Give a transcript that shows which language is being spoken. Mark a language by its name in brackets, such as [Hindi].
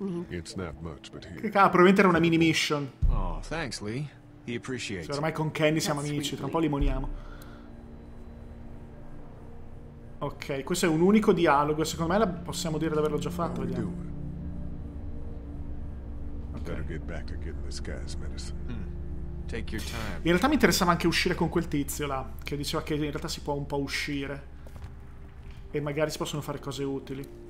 [English] It's not much, but here. [Italian] Ah, probabilmente era una mini mission. [English] Oh, thanks, Lee. He appreciates. [Italian] Ormai con Kenny siamo amici, tra un po' limoniamo. Ok, questo è un unico dialogo, secondo me la possiamo dire di averlo già fatto. Vediamo. [English] Better get back and get this guy's medicine. Take your time. [Italian] In realtà mi interessava anche uscire con quel tizio là, che diceva che in realtà si può un po' uscire e magari si possono fare cose utili.